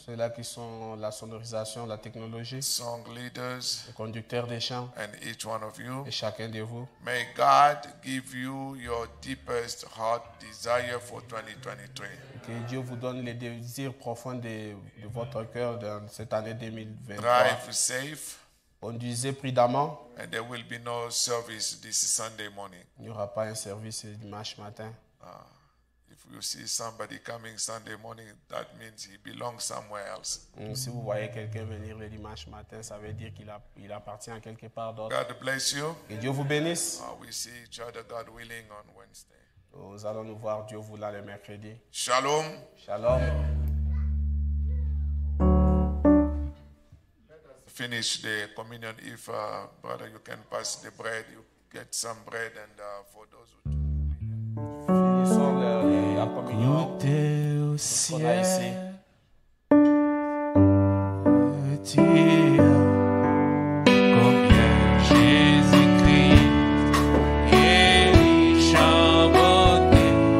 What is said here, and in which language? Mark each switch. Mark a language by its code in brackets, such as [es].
[fr] Ceux-là qui sont la sonorisation, la technologie. [en] Song leaders. [fr] Les conducteurs des chants. [en] And each one of you. [fr] Et chacun de vous. [en] May God give you your deepest heart desire for 2023. [fr] Que Dieu vous donne les désirs profonds de votre cœur dans cette année [en] 2023. Drive safe. [fr] Conduisez prudemment. [en] And there will be no service this Sunday morning. [fr] Il n'y aura pas un service dimanche matin. [en] You see somebody coming Sunday morning, that means he belongs somewhere else. [fr] Si vous voyez quelqu'un venir le dimanche matin, ça veut dire qu'il appartient à quelque part d'autre. [en] God bless you. [fr] Que Dieu vous bénisse. [en] We see each other, God willing, on Wednesday. [fr] Nous allons nous voir, Dieu voulant, le mercredi. [en] Shalom. Shalom. Finish the communion. If brother, you can pass the bread, you get some bread, and for those who do. [fr] Goûter au ciel, dire combien Jésus-Christ est riche en bonté,